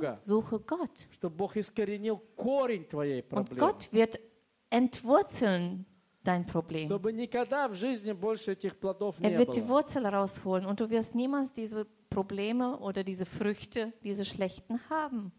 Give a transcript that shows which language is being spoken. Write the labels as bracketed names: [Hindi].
[Russian] Бога, [German] suche Gott. [Russian] Чтобы Бог искоренил корень твоей проблемы. [German] Und Gott wird entwurzeln dein Problem. [Russian] Чтобы никогда в жизни больше этих плодов не было. [German] Er wird [Russian] было. [German] Die Wurzel rausholen und du wirst niemals diese Probleme oder diese Früchte, diese schlechten haben.